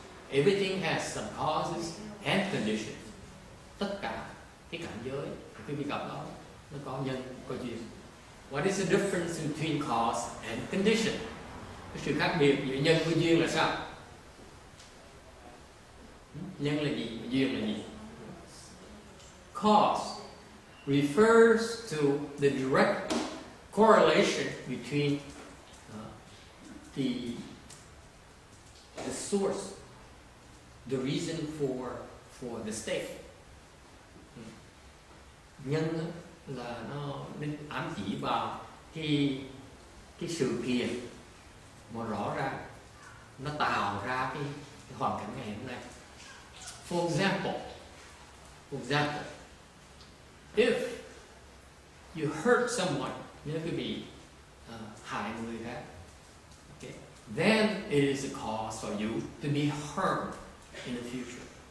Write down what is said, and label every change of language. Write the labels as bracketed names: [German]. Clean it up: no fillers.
[English] Everything has some causes and conditions. [Vietnamese] Tất cả cái cảnh giới, cái việc gặp đó, nó có nhân, có duyên. [English] What is the difference between cause and condition? [Vietnamese] Cái sự khác biệt giữa nhân và duyên là sao? Nhân là gì? Duyên là gì? [English] Cause refers to the direct correlation between the source, the reason for the state. [Vietnamese] Nhân là nó ám chỉ vào cái sự kiện mà rõ ràng nó tạo ra cái hoàn cảnh ngày hôm nay. [English] For example, if you hurt someone, [Vietnamese] nếu quý vị hại người khác, [English] okay, then it is a cause for you to be hurt in the future.